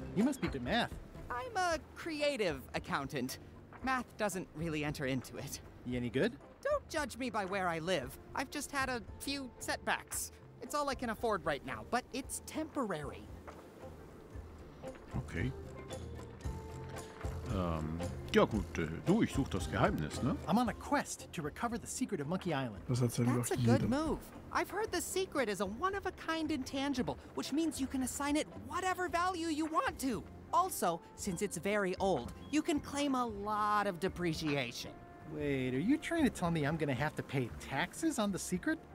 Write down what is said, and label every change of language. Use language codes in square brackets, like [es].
[en] You must be good math. I'm a creative accountant. Math doesn't really enter into it. You any good? Don't judge me by where I live. I've just had a few setbacks. It's all I can afford right now, but it's temporary. Okay. [de] Ja gut, du, ich such das Geheimnis, ne? [en] I'm on a quest to recover the secret of Monkey Island. [de] Das erzählt [en] That's [de] auch [en] a [de] jeder. [en] Good move. I've heard the secret is a one-of-a-kind intangible, which means you can assign it whatever value you want to. Also, since it's very old, you can claim a lot of depreciation. Wait, are you trying to tell me I'm gonna have to pay taxes on the secret?